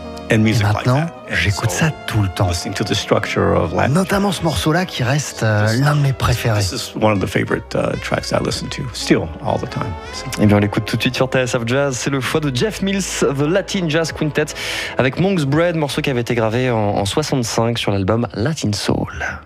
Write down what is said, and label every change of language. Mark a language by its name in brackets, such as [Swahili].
[French] Et maintenant, j'écoute ça tout le temps. Notamment ce morceau-là qui reste l'un de mes préférés. [English] This is one of the favorite tracks I listen to, still all the time. [French] Et bien on l'écoute tout de suite sur TSF Jazz. C'est le choix de Jeff Mills, The Latin Jazz Quintet, avec Monk's Bread, morceau qui avait été gravé en 65 sur l'album Latin Soul.